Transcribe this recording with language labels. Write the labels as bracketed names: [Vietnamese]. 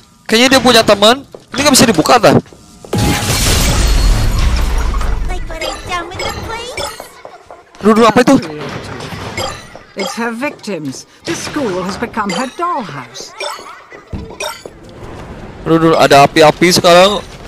[Indonesian] Ini nggak bisa dibuka, dah. [English] Like what I've done with the place? [Indonesian] Dudu, apa itu? [English] It's her victims. The school has become her dollhouse. [Indonesian] Aduh, ada api-api sekarang.